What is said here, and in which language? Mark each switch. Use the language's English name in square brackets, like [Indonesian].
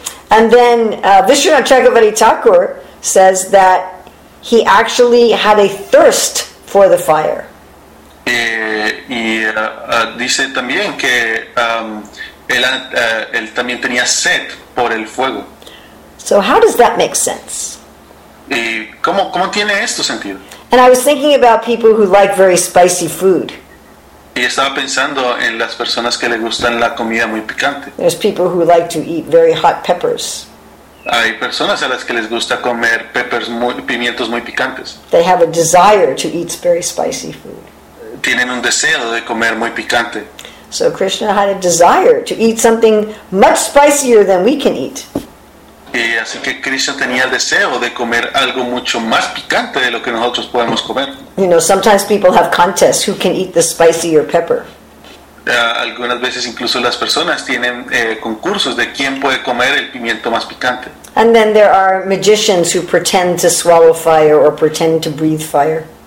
[English] And then Vishnu Chakravarti Thakur says that he actually had a thirst for the fire. [Spanish] Dice también que él también tenía sed por el fuego. [English] So how does that make sense? [Spanish] ¿Y cómo tiene esto sentido? [English] And I was thinking about people who like very spicy food. [Spanish] Y estaba pensando en las personas que le gustan la comida muy picante. [English] There's people who like to eat very hot peppers. [Spanish] Hay personas a las que les gusta comer [English] peppers [Spanish] pimientos muy picantes. [English] They have a desire to eat very spicy food. [Spanish] Tienen un deseo de comer muy picante. [English] So Krishna had a desire to eat something much spicier than we can eat. [Spanish] Y así que Krishna tenía el deseo de comer algo mucho más picante de lo que nosotros podemos comer. [English] You know, sometimes people have contests who can eat the spicier pepper. [Spanish] Algunas veces incluso las personas tienen concursos de quién puede comer el pimiento más picante. [English] And then there are magicians who pretend to swallow fire or pretend to breathe fire.